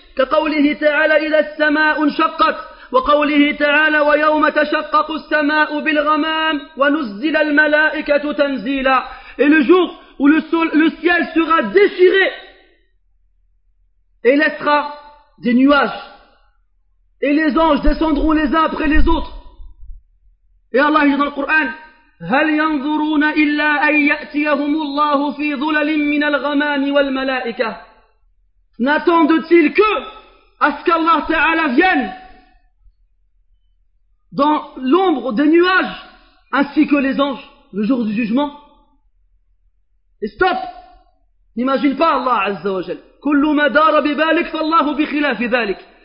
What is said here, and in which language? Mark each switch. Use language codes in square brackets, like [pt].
[ar] كَقَوْلِهِ تَعَالَى إِلَى السَّمَاءُ انشَقَّتْ وَقَوْلِهِ تَعَالَى وَيَوْمَ تَشَقَّقُ السَّمَاءُ بِالْغَمَامِ وَنُزِّلَ الْمَلَائِكَةُ تَنزِيلًا. [fr] Et le jour où le ciel sera déchiré et laissera des nuages. Et les anges descendront les uns après les autres. Et Allah dit dans le Coran, [ar] هَلْ يَنْظُرُونَ إِلَّا أَنْ يَأْتِيَهُمُ اللَّهُ فِي ظُلَلٍ مِّنَ الْغَمَامِ وَالْمَلَائِكَةِ. [fr] N'attendent-ils que à ce qu'Allah Ta'ala vienne dans l'ombre des nuages ainsi que les anges le jour du jugement? Et stop! N'imagine pas Allah Azza wa Jal. [ar] كُلُّ مَا دَارَ بِبَالِكَ فَاللَّهُ بِخِلَافِ ذَلِكَ.